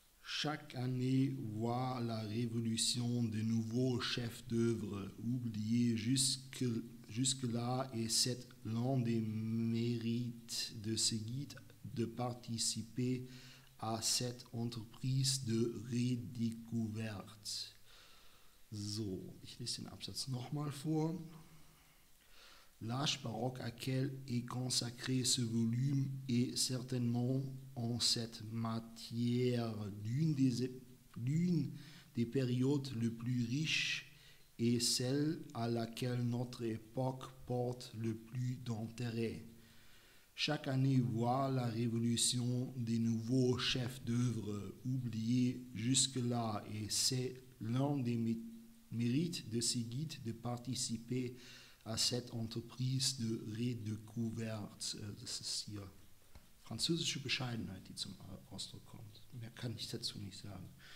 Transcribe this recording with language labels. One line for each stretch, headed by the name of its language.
French: Chaque année voit la révolution de nouveaux chefs d'œuvre oubliés jusque-là et c'est l'un des mérites de ce guide de participer à cette entreprise de redécouverte.
German: So, ich lese den Absatz nochmal vor.
French: L'âge baroque à quel est consacré ce volume est certainement en cette matière. L'une des périodes les plus riches est celle à laquelle notre époque porte le plus d'intérêt. Chaque année voit la révolution des nouveaux chefs d'œuvre oubliés jusque-là et c'est l'un des mérites de ces guides de participer à cette entreprise de redécouverte.
German: Das ist hier französische Bescheidenheit, die zum Ausdruck kommt. Mehr kann ich dazu nicht sagen.